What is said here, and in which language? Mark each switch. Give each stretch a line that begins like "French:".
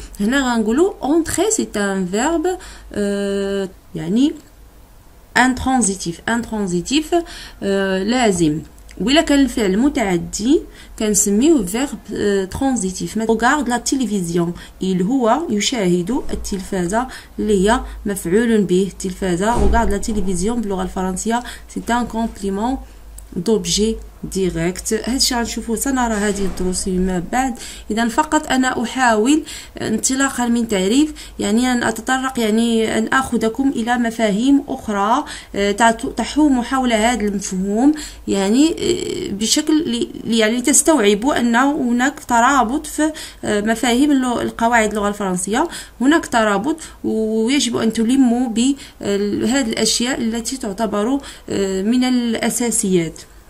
Arabic: هنا غنقولوا
French: entrer c'est un verbe
Arabic: يعني
French: intransitif.
Arabic: intransitif لازم، وإلا كان الفعل متعدي كنسميه
French: verbe transitif. regarde la télévision، il
Arabic: هو يشاهد التلفاز اللي هي مفعول به تلفاز.
French: regarde la télévision
Arabic: باللغة الفرنسية
French: c'est un complément d'objet ديريكت.
Arabic: هادشي غنشوفو، سنرى هذه الدروس فيما بعد. اذا فقط انا احاول انطلاقا من تعريف، يعني ان اتطرق، يعني ان اخذكم الى مفاهيم اخرى تحوم حول هذا المفهوم، يعني بشكل يعني تستوعبوا ان هناك ترابط في مفاهيم القواعد اللغه الفرنسيه، هناك ترابط ويجب ان تلموا بهذه الاشياء التي تعتبر من الاساسيات.